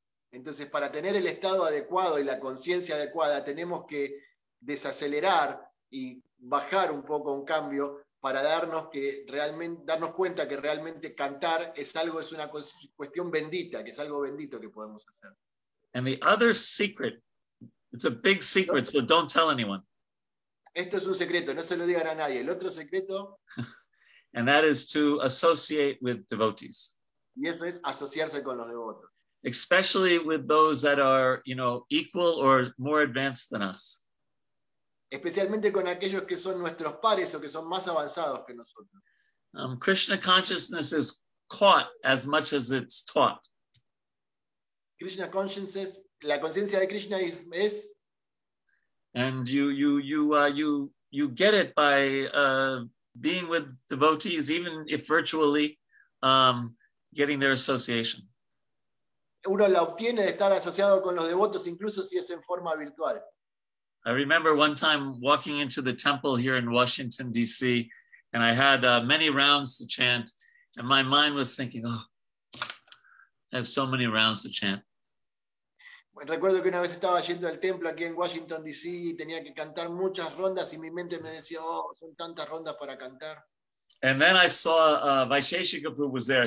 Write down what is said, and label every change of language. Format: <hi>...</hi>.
<es>Entonces, para tener el estado adecuado y la conciencia adecuada, tenemos que desacelerar y bajar un poco un cambio para darnos cuenta que realmente cantar es algo, es una cuestión bendita, que es algo bendito que podemos hacer.</es> <en>And the other secret, it's a big secret, so don't tell anyone.</en> <es>Esto es un secreto, no se lo digan a nadie. El otro secreto...</es> <en>And that is to associate with devotees.</en> <es>Y eso es asociarse con los devotos.</es> <en>Especially with those that are, you know, equal or more advanced than us.</en> <es>Especialmente con aquellos que son nuestros pares o que son más avanzados que nosotros.</es> <en>Krishna consciousness is caught as much as it's taught.</en> <es>Krishna consciousness, la conciencia de Krishna es.</es> <en>And you get it by being with devotees, even if virtually, getting their association.</en> <es>Uno la obtiene de estar asociado con los devotos, incluso si es en forma virtual.</es> <en>I remember one time walking into the temple here in Washington, D.C., and I had many rounds to chant, and my mind was thinking, oh, I have so many rounds to chant.</en> <es>Recuerdo que una vez estaba yendo al templo aquí en Washington, D.C., y tenía que cantar muchas rondas, y mi mente me decía, oh, son tantas rondas para cantar.</es> <en>And then I saw Vaisheshika Prabhu was there.</en>